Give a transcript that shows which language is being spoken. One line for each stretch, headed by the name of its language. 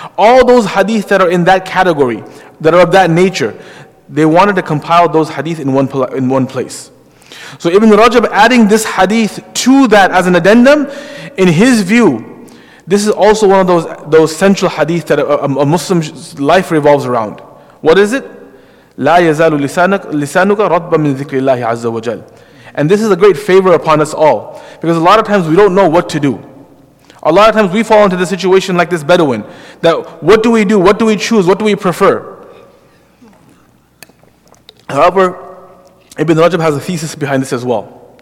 English: All those hadith that are in that category, that are of that nature, they wanted to compile those hadith in one place. So Ibn Rajab adding this hadith to that as an addendum, in his view, this is also one of those central hadith that a Muslim's life revolves around. What is it?
Arabic: لا يزال لسانك رطبا من ذكر الله عز وجل.
English: And this is a great favor upon us all, because a lot of times we don't know what to do. A lot of times we fall into the situation like this Bedouin, that what do we do? What do we choose? What do we prefer? However, Ibn Rajab has a thesis behind this as well.